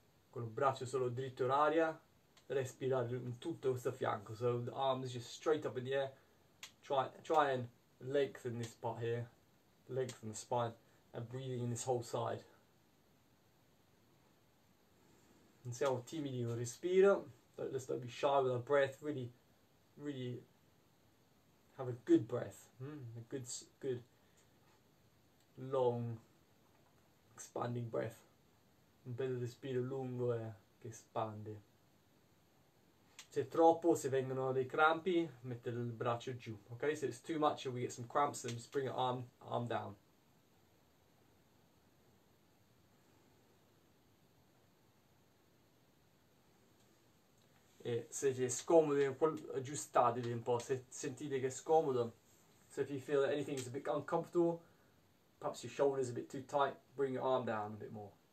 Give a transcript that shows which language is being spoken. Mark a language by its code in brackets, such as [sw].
[it] Con un braccio solo dritto in aria, respirare in tutto questo fianco. [en] So, arms just straight up in the air. Try and lengthen this part here. Lengthen the spine and breathing in this whole side. [it] Non siamo timidi con il respiro. [en] Let's not be shy with our breath. Really have a good breath. A good long expanding breath. [it] Un bel respiro lungo che espande. Se è troppo, se vengono dei crampi, mette il braccio giù. Ok? [en] So it's too much and we get some cramps, then just bring arm down. [it] E se è scomodo, [en] aggiustatevi un po'. Se sentite che è scomodo, so if you feel that anything is a bit uncomfortable, perhaps your shoulder is a bit too tight, bring your arm down a bit more.